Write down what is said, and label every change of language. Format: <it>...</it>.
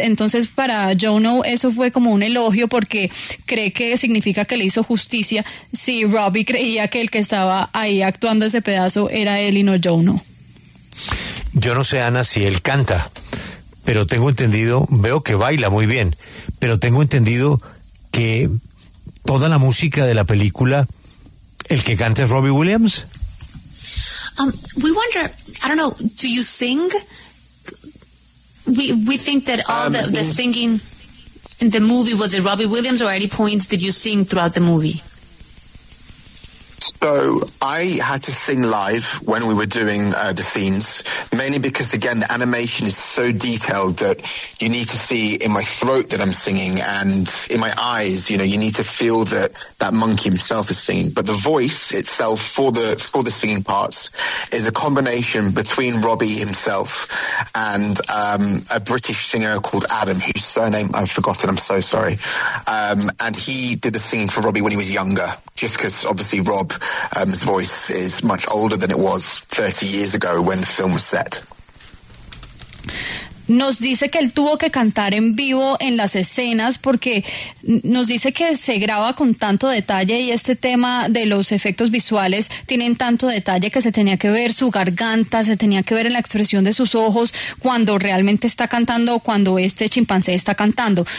<es>Entonces para Jono eso fue como un elogio, porque cree que significa que le hizo justicia si Robbie creía que el que estaba ahí actuando ese pedazo era él y no Jono. Yo no sé, Ana, si él canta, pero tengo entendido, veo que baila muy bien, pero tengo entendido que toda la música de la película, el que canta es Robbie Williams.</es> <en>We wonder, I don't know, do you sing? We think that all the singing in the movie, was it Robbie Williams, or at any points did you sing throughout the movie? So I had to sing live when we were doing the scenes, mainly because, again, the animation is so detailed that you need to see in my throat that I'm singing, and in my eyes, you know, you need to feel that that monkey himself is singing. But the voice itself for the singing parts is a combination between Robbie himself and a British singer called Adam, whose surname I've forgotten. I'm so sorry. And he did the singing for Robbie when he was younger, just because obviously Rob, his voice is much older than it was 30 years ago when the film was set.</en> <es>Nos dice que él tuvo que cantar en vivo en las escenas porque nos dice que se graba con tanto detalle, y este tema de los efectos visuales tienen tanto detalle que se tenía que ver su garganta, se tenía que ver en la expresión de sus ojos cuando realmente está cantando o cuando este chimpancé está cantando.</es>